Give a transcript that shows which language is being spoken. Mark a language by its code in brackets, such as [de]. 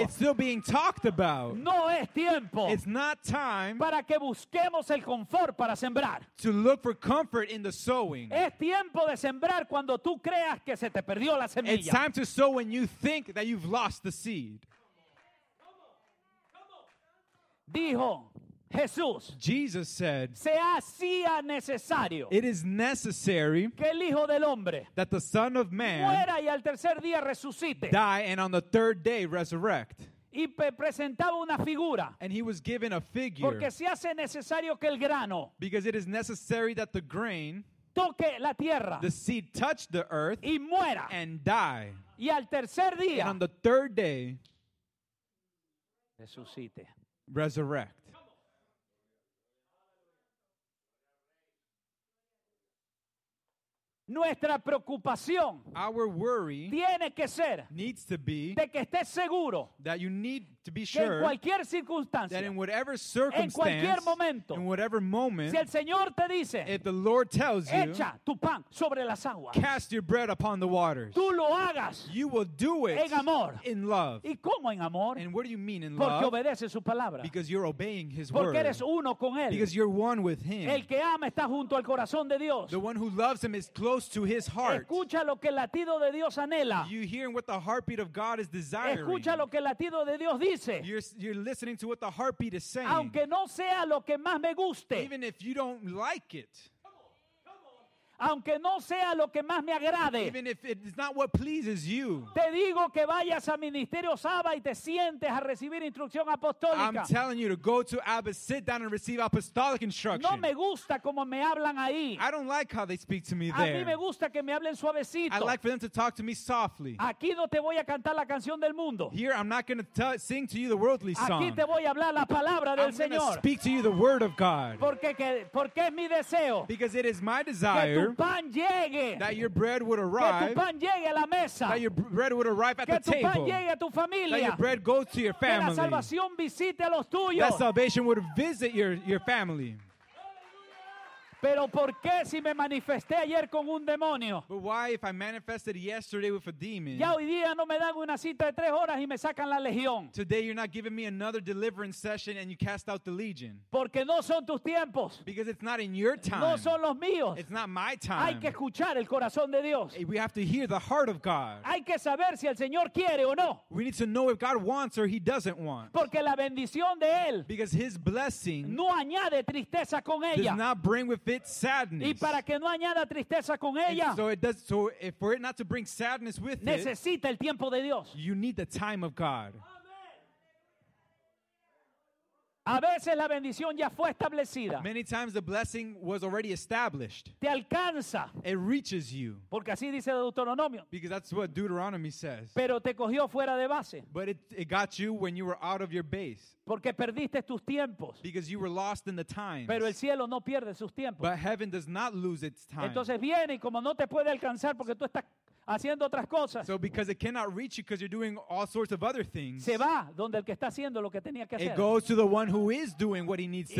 [en] It's still being talked about. [es] No es tiempo. [en] It's not time. [es] Para que busquemos el confort para sembrar. [en] To look for comfort in the sowing. [es] Es tiempo de sembrar cuando tú creas que se te perdió la semilla. [en] It's time to sow when you think that you've lost the seed. [es] Dijo Jesús. [en] Jesus said. [es] Sea así necesario. [en] It is necessary. [es] Que el Hijo del Hombre. [en] That the Son of Man. [es] Muera y al tercer día resucite. [en] Die and on the third day resurrect. [es] Y presentaba una figura. [en] And he was given a figure. [es] Porque se hace necesario que el grano. [en] Because it is necessary that the grain. [es] Toque la tierra. [en] The seed touch the earth. [es] Y muera. [en] And die. [es] Y al tercer día. [en] And on the third day. [es] Resucite. [en] Resurrect. [es] Nuestra preocupación, [en] our worry, [es] tiene que ser, [en] needs to be, [es] de que estés seguro, [en] that you need to be sure, [es] en cualquier circunstancia, [en] that in whatever circumstance, [es] en cualquier momento, [en] in whatever moment, [es] si el Señor te dice, [en] if the Lord tells you, [es] echa tu pan sobre las aguas, [en] cast your bread upon the waters, [es] tú lo hagas, [en] you will do it, [es] en amor, [en] in love, [es] y cómo en amor, [en] and what do you mean in [es] porque [en] love, [es] porque obedeces su palabra, [en] because you're obeying His [es] porque [en] word, [es] porque eres uno con él, [en] because you're one with Him, [es] el que ama está junto al corazón de Dios, [en] the one who loves Him is close to His heart. [es] Escucha lo que el latido de Dios anhela. [en] You hearing what the heartbeat of God is desiring. [es] Escucha lo que el latido de Dios dice. [en] You're listening to what the heartbeat is saying. [es] Aunque no sea lo que más me guste. [en] Even if you don't like it. [es] Aunque no sea lo que más me agrade. [en] Even if it's not what pleases you. [es] Te digo que vayas a Ministerio Saba y te sientes a recibir instrucción apostólica. [en] I'm telling you to go to Abba, sit down and receive apostolic instruction. [es] No me gusta como me hablan ahí. [en] I don't like how they speak to me there. [es] A mí me gusta que me hablen suavecito. [en] I like for them to talk to me softly. [es] Aquí no te voy a cantar la canción del mundo. [en] Here I'm not going to sing to you the worldly song. [es] Aquí te voy a hablar la palabra del [en] I'm [es] Señor. [en] I'm going to speak to you the word of God. [es] Porque es mi deseo. [en] Because it is my desire. That your bread would arrive. [es] Que tu pan llegue a la mesa. [en] That your bread would arrive at [es] que [en] the table. [es] Pan llegue a tu familia. [en] That your bread goes to your family. [es] Que la salvación visite a los tuyos. [en] That salvation would visit your family. [es] Pero ¿por qué si me manifesté ayer con un demonio? [en] But why if I manifested yesterday with a demon? [es] Ya hoy día no me dan una cita de tres horas y me sacan la legión. [en] Today you're not giving me another deliverance session and you cast out the legion. [es] Porque no son tus tiempos. [en] Because it's not in your time. [es] No son los míos. [en] It's not my time. [es] Hay que escuchar el corazón de Dios. [en] We have to hear the heart of God. [es] Hay que saber si el Señor quiere o no. [en] We need to know if God wants or He doesn't want. [es] Porque la bendición de Él. [en] Because His blessing. [es] No añade tristeza con ella. [en] Does not bring with it sadness. [es] Y para que no añada tristeza con ella. [en] So it does. So if for it not to bring sadness with [es] necesita [en] it. [es] Necesita el tiempo de Dios. [en] You need the time of God. [es] A veces la bendición ya fue establecida. [en] Many times the blessing was already established. [es] Te alcanza. [en] It reaches you. [es] Porque así dice Deuteronomio. [en] Because that's what Deuteronomy says. [es] Pero te cogió fuera de base. [en] But it got you when you were out of your base. [es] Porque perdiste tus tiempos. [en] Because you were lost in the times. [es] Pero el cielo no pierde sus tiempos. [en] But heaven does not lose its time. [es] Entonces viene y como no te puede alcanzar porque tú estás haciendo otras cosas. [en] So because it cannot reach you because you're doing all sorts of other things. [es] Se va donde el que está haciendo lo que tenía que hacer. [en] It goes to the one who is doing what he needs to